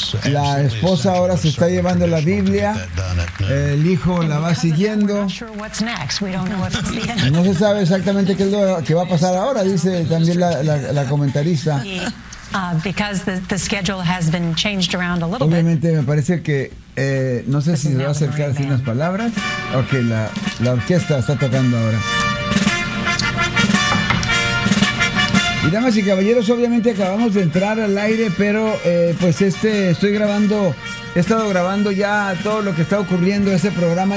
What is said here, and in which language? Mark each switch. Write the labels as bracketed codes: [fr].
[es] La esposa ahora se está llevando la Biblia, el hijo la va siguiendo. No se sabe exactamente qué es lo que va a pasar ahora, dice también la comentarista. [en] Because the schedule has been changed around a little bit. [es] Obviamente me parece que no sé si se va a acercar sin las palabras. Ok, la orquesta está tocando ahora. Y damas y caballeros, obviamente acabamos de entrar al aire, pero pues estoy grabando, he estado grabando ya todo lo que está ocurriendo en ese programa.